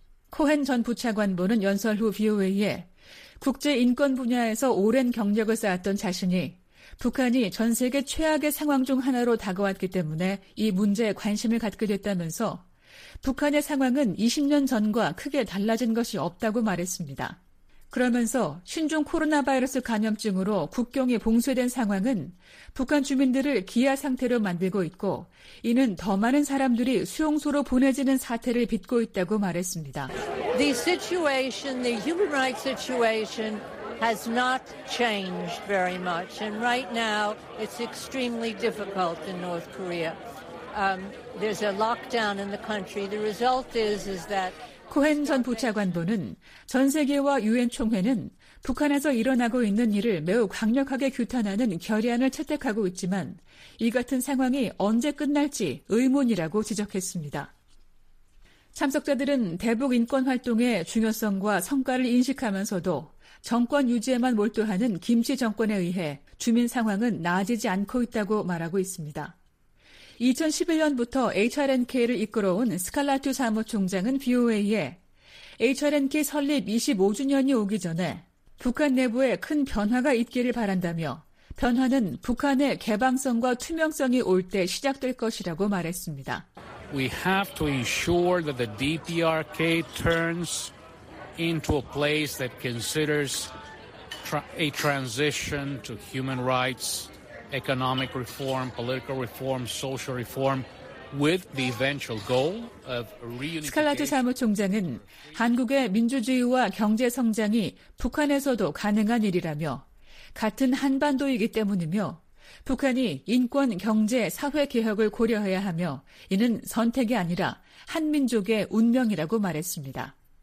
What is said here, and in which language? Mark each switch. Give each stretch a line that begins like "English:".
Korean: 코헨 전 부차관보는 연설 후 VOA에 국제 인권 분야에서 오랜 경력을 쌓았던 자신이 북한이 전 세계 최악의 상황 중 하나로 다가왔기 때문에 이 문제에 관심을 갖게 됐다면서 북한의 상황은 20년 전과 크게 달라진 것이 없다고 말했습니다. 그러면서 신종 코로나 바이러스 감염증으로 국경이 봉쇄된 상황은 북한 주민들을 기아 상태로 만들고 있고 이는 더 많은 사람들이 수용소로 보내지는 사태를 빚고 있다고 말했습니다.
English: The situation, the human rights situation has not changed very much. And right now, it's extremely difficult in North Korea. There's a lockdown in the country. The result is that
Korean: 코헨 전 부차관보는 전 세계와 유엔 총회는 북한에서 일어나고 있는 일을 매우 강력하게 규탄하는 결의안을 채택하고 있지만 이 같은 상황이 언제 끝날지 의문이라고 지적했습니다. 참석자들은 대북 인권 활동의 중요성과 성과를 인식하면서도 정권 유지에만 몰두하는 김씨 정권에 의해 주민 상황은 나아지지 않고 있다고 말하고 있습니다. 2011년부터 HRNK를 이끌어온 스칼라투 사무총장은 VOA에 HRNK 설립 25주년이 오기 전에 북한 내부에 큰 변화가 있기를 바란다며 변화는 북한의 개방성과 투명성이 올 때 시작될 것이라고 말했습니다.
English: We have to ensure that the DPRK turns into a place that considers a transition to human rights, economic reform, political reform, social reform with the eventual goal of reunification.
Korean: 스칼라트 사무총장은 한국의 민주주의와 경제 성장이 북한에서도 가능한 일이라며 같은 한반도이기 때문이며 북한이 인권, 경제, 사회 개혁을 고려해야 하며 이는 선택이 아니라 한 민족의 운명이라고 말했습니다.